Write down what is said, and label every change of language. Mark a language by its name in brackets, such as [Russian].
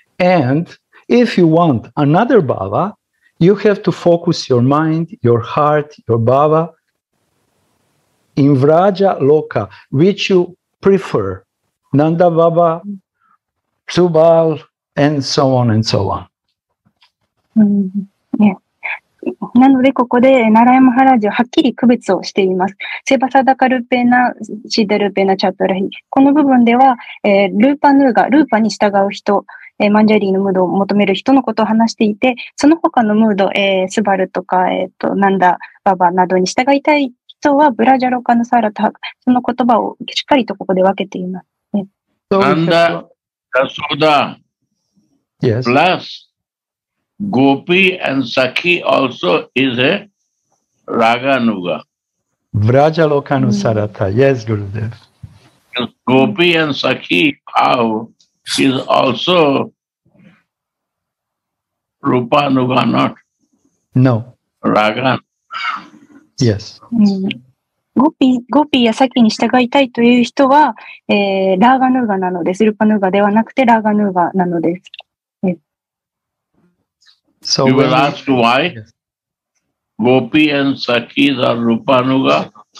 [English] And if you want another Bhava, you have to focus your mind, your heart, your Bhava in Vraja Loka, which you prefer, Nanda Baba. Subal, and so on and so on.、 [Japanese] なのでここでナラヤマハラジははっきり区別をしています。セバサダカルペナシダルペナチャトラヒ、この部分では、ルーパヌーガ、ルーパに従う人、マンジャリーのムードを求める人のことを話していて、その他のムード、スバルとか、ナンダババなどに従いたい人はブラジャロカヌサラタ、その言葉をしっかりとここで分けています。 [English] ナンダYashoda, yes. Plus Gopi and Sakhi also is a Raga Nuga. Vraja Lokanu Sarata, yes, Gurudev. Gopi and Sakhi is also Rupa Nuga, not? No. Raga. Yes. [Japanese] ゴピーやサキに従いたいという人は、ラーガヌーガなのです。ルパヌーガではなくてラーガヌーガなのです。 [English] So, you will ask why Gopi and Sakhi are Rupa Nuga?